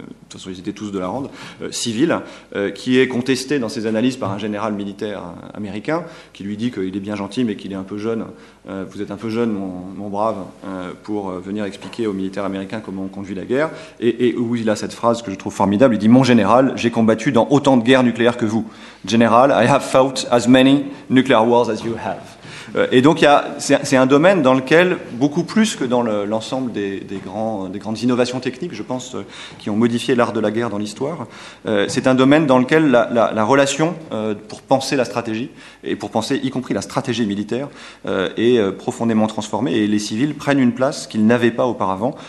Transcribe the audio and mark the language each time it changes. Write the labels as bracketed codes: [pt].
[fr] toute façon ils étaient tous de la Rande, civil, qui est contesté dans ses analyses par un général militaire américain qui lui dit qu'il est bien gentil mais qu'il est un peu jeune, vous êtes un peu jeune mon brave, pour venir expliquer aux militaires américains comment on conduit la guerre, et où il a cette phrase que je trouve formidable, il dit: mon général, j'ai combattu dans autant de guerres nucléaires que vous. [en] General, I have fought as many nuclear wars as you have. [fr] Et donc, c'est un domaine dans lequel, beaucoup plus que dans l'ensemble des grandes innovations techniques, je pense, qui ont modifié l'art de la guerre dans l'histoire, c'est un domaine dans lequel la relation pour penser la stratégie, et pour penser y compris la stratégie militaire, est profondément transformée, et les civils prennent une place qu'ils n'avaient pas auparavant.